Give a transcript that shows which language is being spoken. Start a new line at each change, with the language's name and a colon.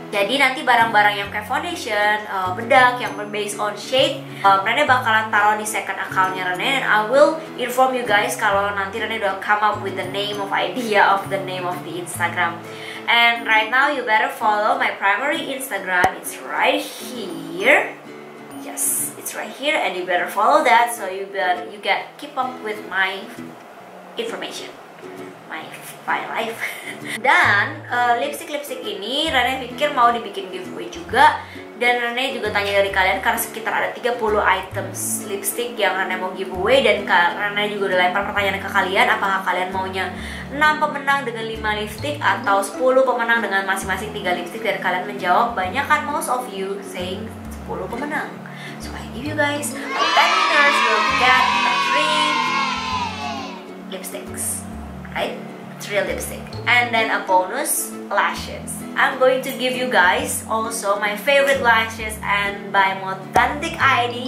Indonesian: Jadi nanti barang-barang yang kayak
English: foundation, bedak yang based on shade, Rene
Indonesian: bakalan taruh di
English: second account-nya Rene, and I will inform you guys
Indonesian: kalau nanti Rene udah
English: come up with the name of idea of the name of the Instagram. And right now you better follow my primary Instagram, it's right here. Yes, it's right here, and you better follow that so you keep up with my information, my life.
Indonesian: Dan lipstick ini Rene pikir mau dibikin giveaway juga, dan Rene juga tanya dari kalian karena sekitar ada 30 item lipstick yang Rene mau giveaway, dan Rene juga udah lempar pertanyaan ke kalian, apakah kalian maunya 6 pemenang dengan 5 lipstick atau 10 pemenang dengan masing-masing 3 lipstick, dan kalian menjawab banyak kan,
English: most of you saying
Indonesian: 10 pemenang.
English: So I give you guys, the winners will get free lipsticks, right? 3 lipstick, and then a bonus lashes. I'm going to give you guys also my favorite lashes and by Mothantic ID.